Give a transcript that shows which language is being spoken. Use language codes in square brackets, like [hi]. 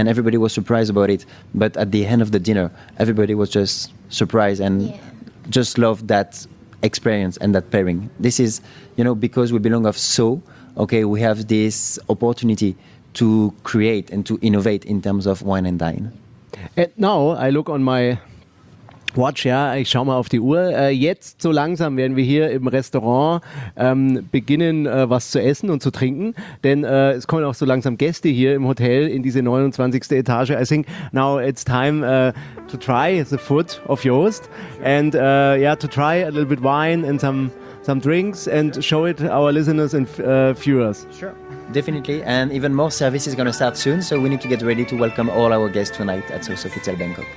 [en] and everybody was surprised about it. But at the end of the dinner, everybody was just surprised and just loved that experience and that pairing. This is, you know, because we belong of So, okay, we have this opportunity to create and to innovate in terms of wine and dine. And now I look on my watch, [de] ja, ich schaue mal auf die Uhr. Jetzt so langsam werden wir hier im Restaurant beginnen, was zu essen und zu trinken, denn es kommen auch so langsam Gäste hier im Hotel in diese 29. Etage. [en] I think now it's time to try the food of Joost and to try a little bit wine and some drinks and show it our listeners and viewers. Sure, definitely. And even more service is going to start soon, so we need to get ready to welcome all our guests tonight at Sofitel Bangkok.